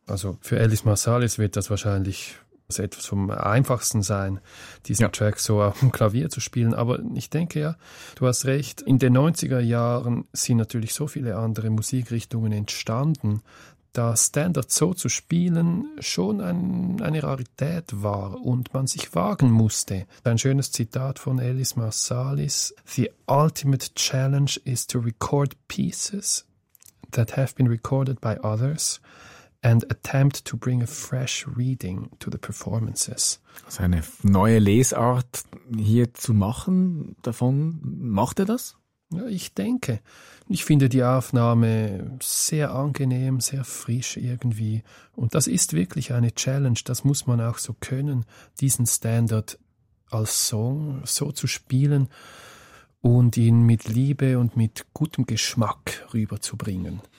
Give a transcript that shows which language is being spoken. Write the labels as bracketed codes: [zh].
[de] Also für Alice Marsalis wird das wahrscheinlich etwas vom Einfachsten sein, diesen Track so auf dem Klavier zu spielen. Aber ich denke ja, du hast recht, in den 90er Jahren sind natürlich so viele andere Musikrichtungen entstanden, dass Standard so zu spielen schon eine Rarität war und man sich wagen musste. Ein schönes Zitat von Alice Marsalis: [en] «The ultimate challenge is to record pieces that have been recorded by others and attempt to bring a fresh reading to the performances.» [de] Also eine neue Lesart hier zu machen, davon macht er das? Ja, ich denke. Ich finde die Aufnahme sehr angenehm, sehr frisch irgendwie. Und das ist wirklich eine Challenge, das muss man auch so können, diesen Standard als Song so zu spielen und ihn mit Liebe und mit gutem Geschmack rüberzubringen.